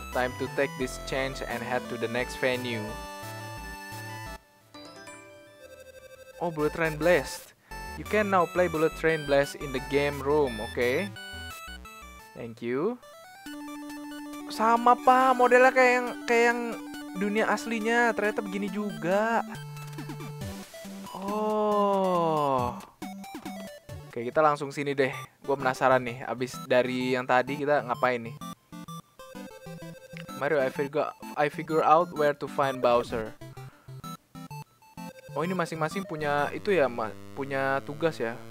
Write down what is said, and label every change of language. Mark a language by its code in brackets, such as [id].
[en] Time to take this chance and head to the next venue. Oh, Bullet Train Blast. You can now play Bullet Train Blast in the game room, okay? Thank you. [id] Sama Pak, modelnya kayak yang dunia aslinya, ternyata begini juga. Oh. Oke, kita langsung sini deh. Gua penasaran nih, abis dari yang tadi kita ngapain nih? [en] Mario, I figure out where to find Bowser. [id] Oh, ini masing-masing punya itu ya, punya tugas ya.